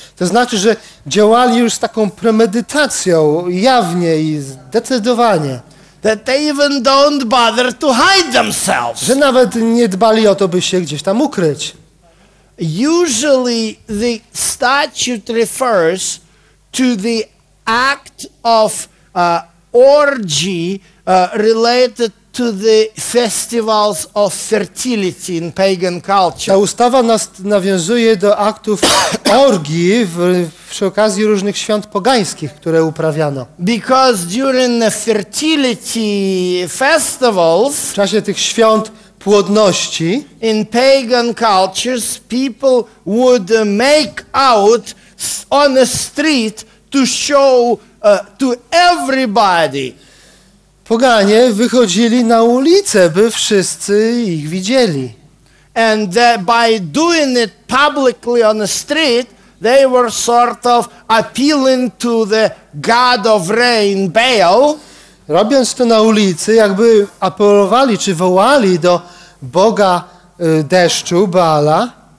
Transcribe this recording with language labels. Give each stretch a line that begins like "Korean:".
Polish: To znaczy, że działali już z taką premedytacją, jawnie i zdecydowanie.
English: That they even don't bother to hide themselves.
Polish: Że nawet nie dbali o to, by się gdzieś tam ukryć.
English: Usually the statute refers to the act of orgy related to the festivals of fertility in pagan culture.
Polish: Ta ustawa nawiązuje do aktów orgii przy okazji różnych świąt pogańskich, które uprawiano.
English: Because during the fertility festivals,
Polish: w czasie tych świąt płodności.
English: In pagan cultures, people would make out on the street to show to everybody.
Polish: Poganie wychodzili na ulicę, by wszyscy ich widzieli.
English: And by doing it publicly on the street, they were sort of appealing to the god of rain, Baal.
Polish: Robiąc to na ulicy, jakby apelowali czy wołali do boga deszczu, Baala.